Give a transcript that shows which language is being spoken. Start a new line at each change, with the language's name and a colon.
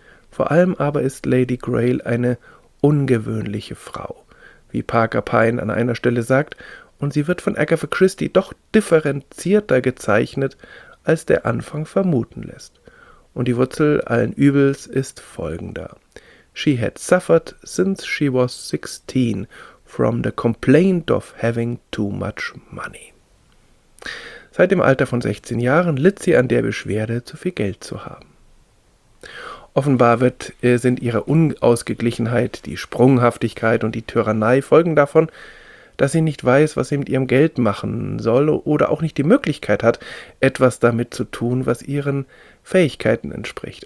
German: Vor allem aber ist Lady Grail eine ungewöhnliche Frau, wie Parker Pyne an einer Stelle sagt, und sie wird von Agatha Christie doch differenzierter gezeichnet, als der Anfang vermuten lässt. Und die Wurzel allen Übels ist folgender.
English: She had suffered since she was 16 from the complaint of having too much money.
German: Seit dem Alter von 16 Jahren litt sie an der Beschwerde, zu viel Geld zu haben. Offenbar sind ihre Unausgeglichenheit, die Sprunghaftigkeit und die Tyrannei Folgen davon, dass sie nicht weiß, was sie mit ihrem Geld machen soll oder auch nicht die Möglichkeit hat, etwas damit zu tun, was ihren Fähigkeiten entspricht.